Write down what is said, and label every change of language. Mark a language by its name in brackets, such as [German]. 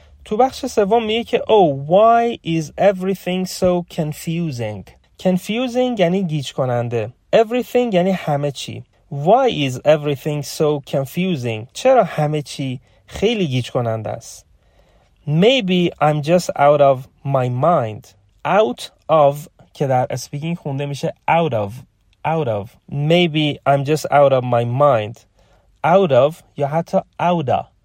[Persian] تو بخش سوم میگه که [English] why is everything so confusing. [Persian] Confusing یعنی گیج کننده. Everything یعنی همه چی. [English] Why is everything so confusing. [Persian] چرا همه چی خیلی گیج کننده است. [English] Maybe I'm just out of my mind. Out of [Persian] که در speaking خونده میشه [English] out of. Out of. Maybe I'm just out of my mind. Out of [Persian] یا حتی [English] out of.